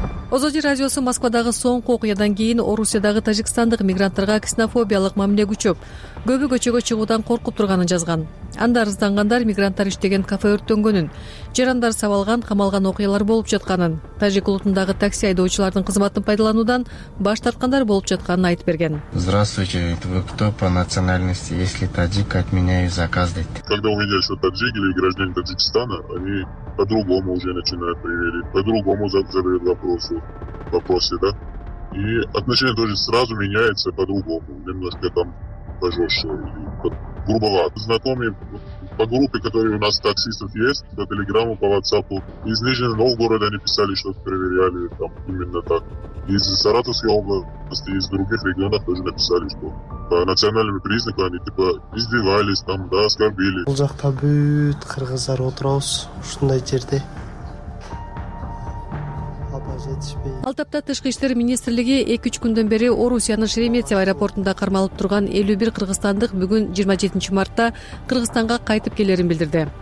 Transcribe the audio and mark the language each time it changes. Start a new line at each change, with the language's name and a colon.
Kyrgyz: Озоди радиосу Москвадагы соңку окуядан кийин Орусиядагы тажикстандык мигранттарга ксенофобиялык мамиле күчөп, көбү көчөгө чыгуудан коркуп турганын жазган. Анда арызданганар мигранттар иштеген кафе өрттөнгөнүн, жарандар сабалган, камалган окуялар болуп жатканын, тажик улутундагы такси айдоочулардын кызматын пайдалануудан баш тарткандар болуп жатканын айтып берген.
Russian: Здравствуйте, вы кто по национальности? Если таджик, отменяю заказ,
Kyrgyz: дейт.
Russian: Когда у меня еще таджик или граждане Таджикистана, они по-другому уже начинают проверить, по-другому задают вопросы, да? И отношение тоже сразу меняется по-другому, немножко там пожестче, грубовато. Знакомые по группе, которые у нас таксистов есть, по телеграмму, по ватсапу, из Нижнего Новгорода они писали, что проверяли там именно так. Из Саратовской области, из других регионов тоже написали, что по национальным признакам они типа издевались там, да, оскорбили.
Kyrgyz: Бул жакта бүт кыргыздар отурабыз ушундай жерде. Алты апта тышкы иштер министрлиги 2-3 күндөн бери Орусиянын Шереметьев аэропортунда кармалып турган 51 кыргызстандык бүгүн 27 мартта Кыргызстанга кайтып келерин билдирди.